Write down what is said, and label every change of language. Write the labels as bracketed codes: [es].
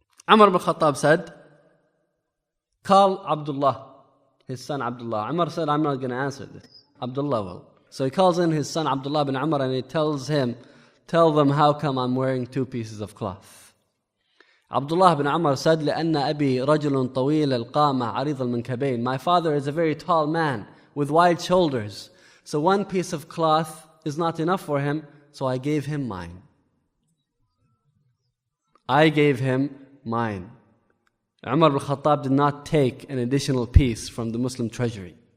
[en] Umar al-Khattab said, "Call Abdullah," his son Abdullah. Umar said, "I'm not going to answer this. Abdullah will." So he calls in his son Abdullah bin Umar and he tells him, "Tell them how come I'm wearing two pieces of cloth." Abdullah bin Umar said, [ar] "لَأَنَّ أَبِي رَجُلٌ طَوِيلَ الْقَامَةَ عَرِيضَ الْمَنْكَبَيْنِ." [en] My father is a very tall man with wide shoulders. So one piece of cloth is not enough for him, so I gave him mine. I gave him mine. Umar al-Khattab did not take an additional piece from the Muslim treasury.